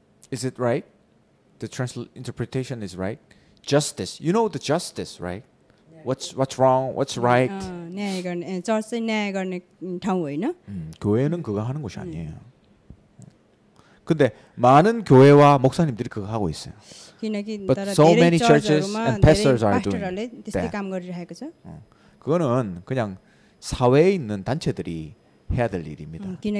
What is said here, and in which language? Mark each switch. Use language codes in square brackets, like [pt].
[en] Is it right? The interpretation is right. Justice. You know the justice, right? What's wrong? What's right? [ko] 네, 이건 저스 네 이건 당위나. 교회는 그거 하는 곳이 아니에요. 근데 많은 교회와 목사님들이 그거 하고 있어요. [en] But so many churches and pastors are doing that. [ko] 그거는 그냥 사회에 있는 단체들이 해야 될 일입니다.